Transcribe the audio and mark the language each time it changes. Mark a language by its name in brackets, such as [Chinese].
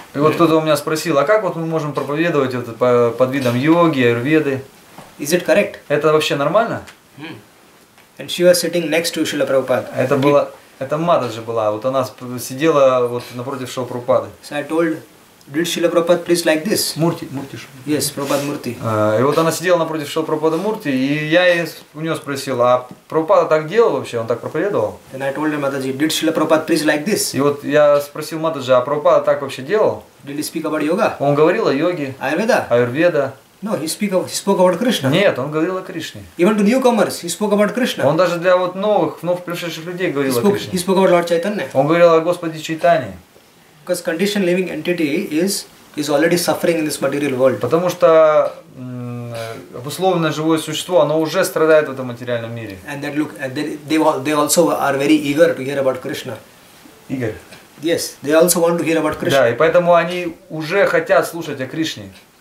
[Russian] И вот кто-то у меня спросил, а как вот мы можем проповедовать вот под видом йоги, Айурведы? [English] Is it correct? [Russian] Это вообще нормально? [English] And she was sitting next to Srila Prabhupada. [Russian] Это было. Это Мададжи была, вот она сидела вот напротив Шрилы Прабхупады. [English] So I told, did Srila Prabhupada preach like this? [Russian] Мурти. [English] Yes, Prabhupada Murti. [Russian] И вот она сидела напротив Шрилы Прабхупады Мурти, и я у нее спросил, а Прабхупада так делал вообще, он так проповедовал? [English] Then I told Mataji, did Srila Prabhupada preach like this? [Russian] И вот я спросил Мададжи, а Прабхупада так вообще делал? [English] Did he speak about yoga? [Russian] Он говорил о йоге. Айурведа. [English] No, he spoke about Krishna. [Russian] Нет, он говорил о Кришне. [English] Even to newcomers, he spoke about Krishna. [Russian] Он даже для вот вновь пришедших людей говорил о Кришне. [English] He spoke about Lord Chaitanya. [Russian] Он говорил о Господе Чайтане. [English] Because conditioned living entity is already suffering in this material world. [Russian] Потому что обусловленное живое существо, оно уже страдает в этом материальном мире. [English] And that look, they also are very eager to hear about Krishna. Eager. Yes, they also want to hear about Krishna. [Russian] Да, и поэтому они уже хотят слушать о Кришне.